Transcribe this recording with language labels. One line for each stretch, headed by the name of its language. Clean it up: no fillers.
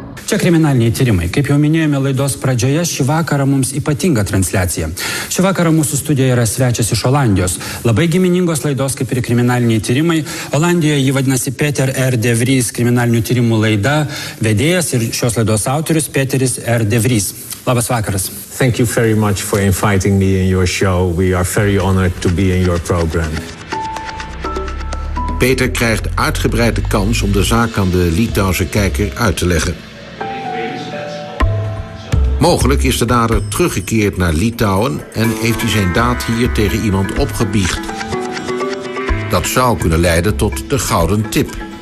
Lithuanian: Čia kriminaliniai tyrimai. Kaip jau minėjome laidos pradžioje, šį vakarą mums ypatinga transliacija. Šį vakarą mūsų studijoje yra svečias iš Olandijos. Labai giminingos laidos, kaip ir kriminaliniai tyrimai. Olandijoje jį vadinasi Peter R. de Vries, kriminalinių tyrimų laida, vedėjas ir šios laidos autorius Peteris R. de Vries. Labas vakaras.
English: Thank you very much for inviting me in your show. We are very honored to be in your program.
Dutch: Peter krijgt uitgebreide kans om de zaak aan de Litouwse kijker uit te leggen. Mogelijk is de dader teruggekeerd naar Litouwen en heeft hij zijn daad hier tegen iemand opgebiecht. Dat zou kunnen leiden tot de gouden tip.